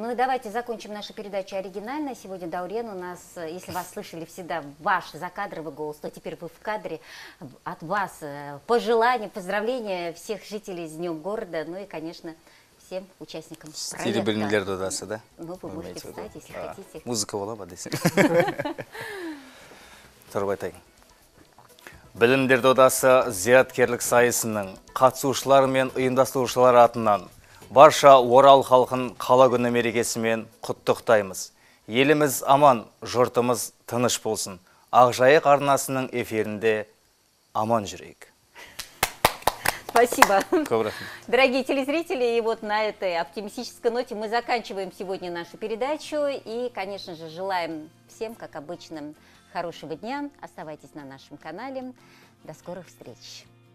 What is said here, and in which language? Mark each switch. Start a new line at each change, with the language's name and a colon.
Russian: Ну и давайте закончим нашу передачу оригинально. Сегодня Даурен у нас, если вас слышали всегда, ваш закадровый голос, то теперь вы в кадре. От вас пожелания, поздравления всех жителей с Днем города, ну и, конечно, всем участникам проекта. Серебряный лир додаса, да? Ну, вы можете встать, да, если хотите. Музыка была бы, если. Тарбайтай.
Kazakh: Білімдер додасы зияткерлік сайысының қатысушылар мен ұйымдастырушылар атынан барша Орал халқын қала күні мерекесімен құттықтаймыз. Еліміз аман, жұртымыз тыныш болсын. Ақжайық арнасының эфирінде аман жүрейік.
Russian: Спасибо. Дорогие телезрители, и вот на этой оптимистической ноте мы заканчиваем сегодня нашу передачу. И, конечно же, желаем всем, как обычно, хорошего дня. Оставайтесь на нашем канале. До скорых встреч.